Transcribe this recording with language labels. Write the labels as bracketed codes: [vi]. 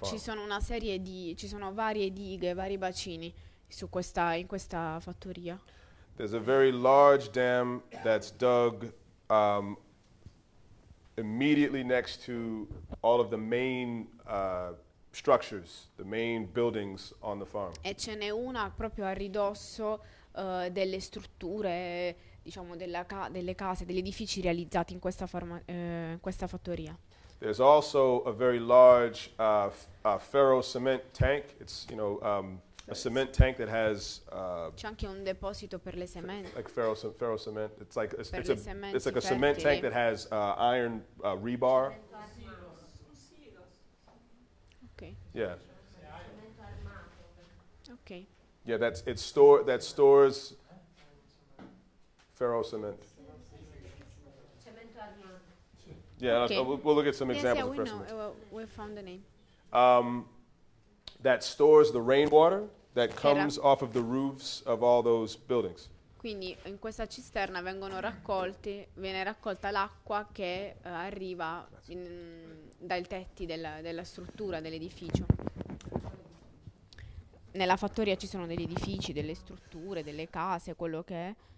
[it] Ci sono una serie di ci sono varie dighe, vari bacini su questa in questa fattoria. [en] There's a very large dam that's dug immediately next to all of the main structures, the main buildings on the farm. [it] E ce n'è una proprio a ridosso delle strutture, diciamo, della delle case, degli edifici realizzati in questa questa fattoria. [en] There's also a very large ferro cement tank. It's, you know, a cement tank that has [it] c'è anche un deposito per le sementi. [en] Like ferro cement. It's like it's like a cement tank that has iron rebar. Yeah. Okay. Yeah, that stores ferro cement. Yeah, okay. We'll look at some examples of ferro cement. Yes, we found the name. That stores the rainwater that comes off of the roofs of all those buildings. [it] Quindi in questa cisterna vengono raccolti, viene raccolta l'acqua che arriva dai tetti della struttura dell'edificio. Nella fattoria ci sono degli edifici, delle strutture, delle case, quello che è.